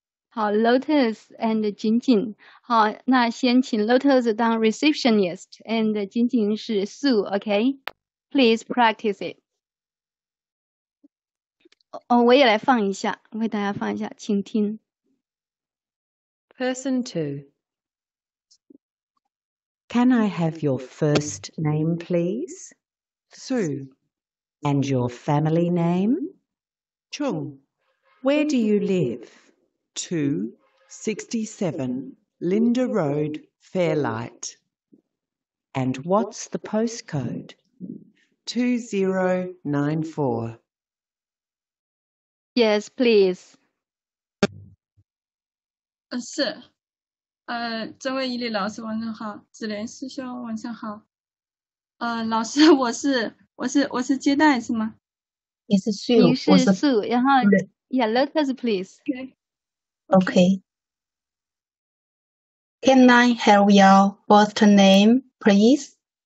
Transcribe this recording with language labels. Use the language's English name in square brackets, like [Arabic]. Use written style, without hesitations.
[Chinese] 真的好厉害。好, Lotus and Jin Jin. 好, 那先请 Lotus 当 receptionist, and Jin Jin 是 Sue, [English] okay? Please practice it. [Chinese] 我也来放一下, 我给大家放一下, 请听。 [English] Person 2. Can I have your first name, please? Sue. And your family name? Chung. Where do you live? 267 Linda Road, Fairlight. And what's the postcode? 2094. Yes, please. Sir. [Chinese] 这位伊丽老师晚上好,子莲师兄晚上好。老师，我是接待是吗？你是 Sue，你是 Sue， 然后 Yeah， Lotus， please。 [English] Okay. Can I have your first name, please?